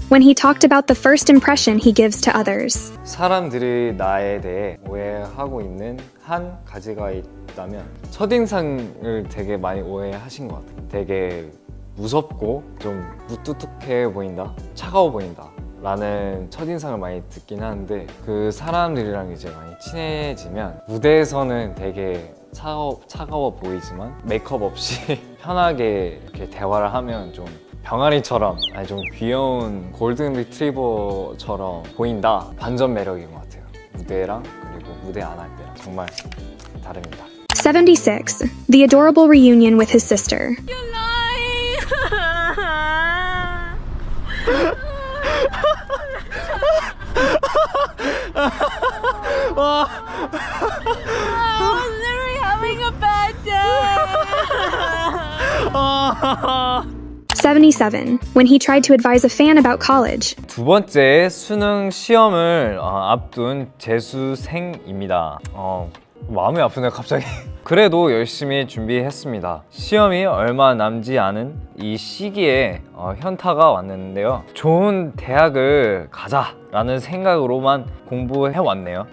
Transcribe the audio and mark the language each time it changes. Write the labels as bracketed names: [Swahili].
[English] When he talked about the first impression he gives to others. [Korean] 사람들이 나에 대해 오해하고 있는 한 가지가 있다면 첫인상을 되게 많이 오해하신 것 같아요. 되게 무섭고 좀 무뚝뚝해 보인다, 차가워 보인다 라는 첫인상을 많이 듣긴 하는데 그 사람들이랑 이제 많이 친해지면 무대에서는 되게 차가워 보이지만 메이크업 없이 편하게 이렇게 대화를 하면 좀 병아리처럼 아니 좀 귀여운 골든 리트리버처럼 보인다 반전 매력인 것 같아요 무대랑 그리고 무대 안 할 때랑 정말 다릅니다 [English] 76. The Adorable Reunion with His Sister. You're lying! 와. I was really having a bad day. 77. When he tried to advise a fan about college. [Korean] 두 번째 수능 시험을 앞둔 재수생입니다. 마음이 아프네 갑자기. 그래도 열심히 준비했습니다. 시험이 얼마 남지 않은 이 시기에 현타가 왔는데요. 좋은 대학을 가자 라는 생각으로만 공부해왔네요.